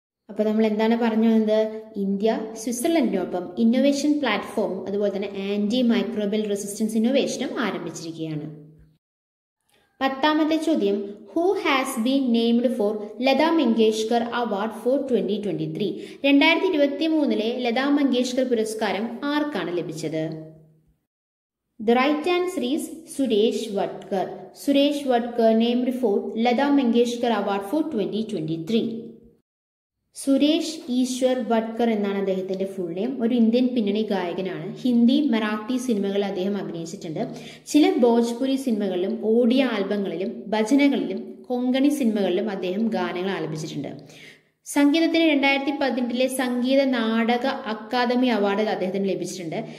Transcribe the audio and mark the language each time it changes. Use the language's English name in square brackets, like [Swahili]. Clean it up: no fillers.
[Malayalam] അപ്പോൾ നമ്മൾ എന്താണ് പറഞ്ഞു വന്നത്? ഇന്ത്യ സ്വിറ്റ്സർലൻഡിനൊപ്പം ഇന്നൊവേഷൻ പ്ലാറ്റ്ഫോം അതുപോലെ തന്നെ ആൻറ്റി മൈക്രോബിയൽ റെസിസ്റ്റൻസ് ഇന്നൊവേഷനും ആരംഭിച്ചിരിക്കുകയാണ്. [English] 10th question, who has been named for Lata Mangeshkar award for 2023? [Malayalam] 2023 Lata Mangeshkar പുരസ്കാരം ആർക്കാണ് ലഭിച്ചത്? [English] The right answer is Suresh Vadkar. Suresh Vadkar named for Lata Mangeshkar Award for 2023. [Malayalam] Suresh Easwar വട്കർ എന്നാണ് അദ്ദേഹത്തിൻ്റെ ഫുൾ നെയിം. ഒരു Indian പിന്നണി ഗായകനാണ്. ഹിന്ദി, മറാത്തി സിനിമകളിൽ അദ്ദേഹം അഭിനയിച്ചിട്ടുണ്ട്. ചില ഭോജ്പുരി സിനിമകളിലും ഓഡിയ ആൽബങ്ങളിലും ഭജനകളിലും കൊങ്കണി സിനിമകളിലും അദ്ദേഹം ഗാനങ്ങൾ ആലപിച്ചിട്ടുണ്ട്. സംഗീതത്തിന് 2018 സംഗീത നാടക അക്കാദമി അവാർഡ് അദ്ദേഹത്തിന് ലഭിച്ചിട്ടുണ്ട്.